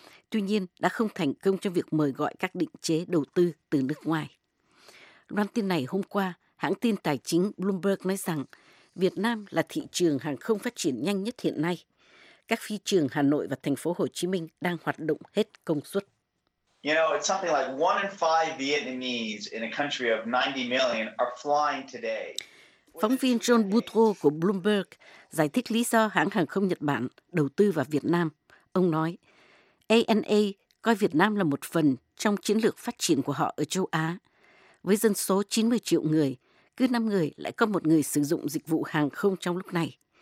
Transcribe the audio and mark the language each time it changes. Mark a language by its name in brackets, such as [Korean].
[Vietnamese] Tuy nhiên, đã không thành công trong việc mời gọi các định chế đầu tư từ nước ngoài. Loan tin này hôm qua, hãng tin tài chính Bloomberg nói rằng Việt Nam là thị trường hàng không phát triển nhanh nhất hiện nay. Các phi trường Hà Nội và thành phố Hồ Chí Minh đang hoạt động hết công suất. [English] You know, it's something like one in five Vietnamese in a country of 90 million are flying today. [Vietnamese] Phóng viên John Butro của Bloomberg giải thích lý do hãng hàng không Nhật Bản đầu tư vào Việt Nam. Ông nói, ANA coi Việt Nam là một phần trong chiến lược phát triển của họ ở châu Á. Với dân số 90 triệu người, cứ 5 người lại có một người sử dụng dịch vụ hàng không trong lúc này.